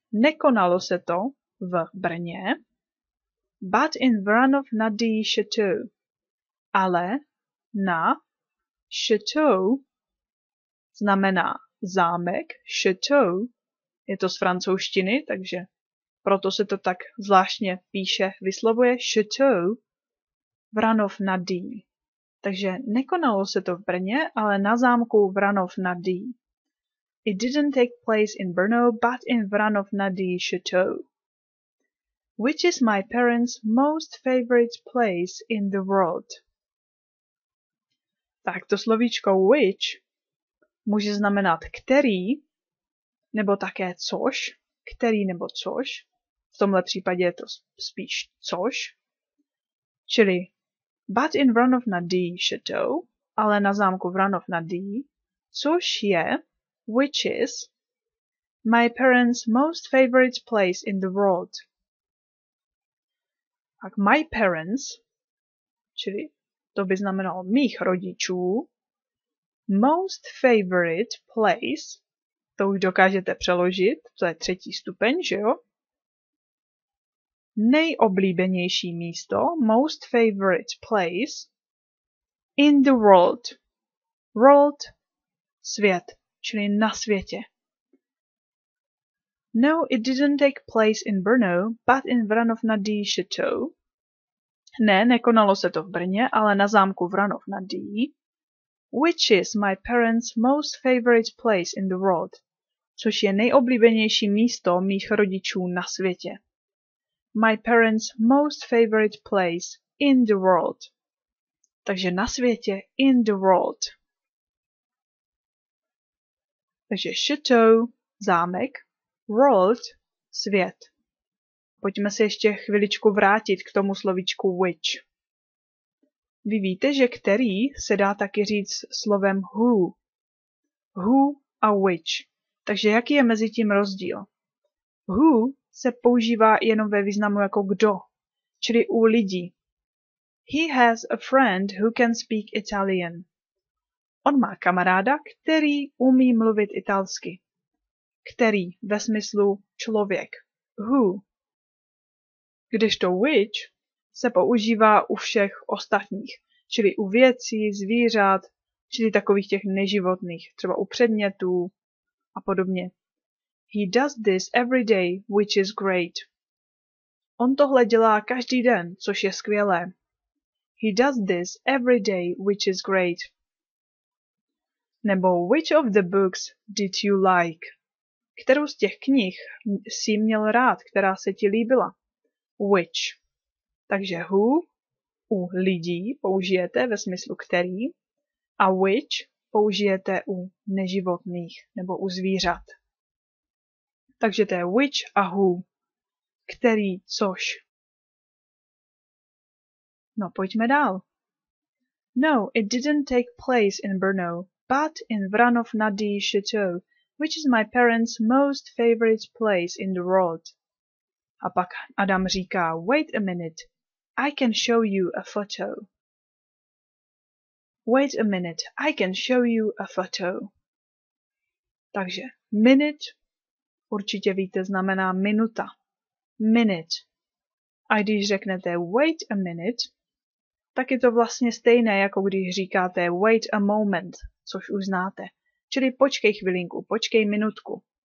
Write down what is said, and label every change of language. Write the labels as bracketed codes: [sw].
[cs] Nekonalo se to v Brně, [en] but in Vranov nad Dyjí Chateau, [cs] ale na Chateau znamená zámek, Chateau, je to z francouzštiny, takže proto se to tak zvláštně píše, vyslovuje Chateau Vranov nad Dyjí. Takže nekonalo se to v Brně, ale na zámku Vranov nad Dyjí. [en] It didn't take place in Brno, but in Vranov nad Dyjí Chateau. Which is my parents' most favorite place in the world? [cs] Tak to slovíčko which může znamenat který, nebo také což, který nebo což. V tomhle případě je to spíš což. [en] Čili, but in Vranov nad Dyjí Chateau, [cs] ale na zámku Vranov nad Dyjí, což je [en] which is my parents' most favorite place in the world. [cs] Tak [en] my parents, [cs] čili to by znamenalo mých rodičů, [en] most favorite place, [cs] to už dokážete přeložit, to je třetí stupeň, že jo? Nejoblíbenější místo, [en] most favorite place, in the world, [cs] world, svět, čili na světě. [en] No, it didn't take place in Brno, but in Vranov nad Dyjí Chateau. [cs] Ne, nekonalo se to v Brně, ale na zámku Vranov nad Dyjí. [en] Which is my parents' most favorite place in the world, [cs] což je nejoblíbenější místo mých rodičů na světě. [en] My parents' most favorite place in the world. [cs] Takže na světě, [en] in the world. [cs] Takže Chateau, zámek. World, svět. Pojďme se ještě chviličku vrátit k tomu slovíčku which. Vy víte, že který se dá taky říct slovem who. Who a which. Takže jaký je mezi tím rozdíl? Who se používá jenom ve významu jako kdo, čili u lidí. [en] He has a friend who can speak Italian. [cs] On má kamaráda, který umí mluvit italsky. Který ve smyslu člověk. [en] Who. [cs] Kdežto which se používá u všech ostatních, čili u věcí, zvířat, čili takových těch neživotných, třeba u předmětů a podobně. [en] He does this every day, which is great. [cs] On tohle dělá každý den, což je skvělé. [en] He does this every day, which is great. [cs] Nebo [en] which of the books did you like? [cs] Kterou z těch knih jsi měl rád, která se ti líbila? [en] Which. [cs] Takže who u lidí použijete ve smyslu který a which použijete u neživotných nebo u zvířat. Takže to je which a who. Který, což. No, pojďme dál. [en] No, it didn't take place in Brno, but in Vranov nad Dyjí Chateau, which is my parents' most favorite place in the world. [cs] A pak Adam říká, [en] wait a minute, I can show you a photo. Wait a minute, I can show you a photo. [cs] Takže minute, určitě víte, znamená minuta. [en] Minute. [cs] A když řeknete [en] wait a minute, [cs] tak je to vlastně stejné, jako když říkáte [en] wait a moment, [cs] což už znáte. Čili počkej chvilinku, počkej minutku.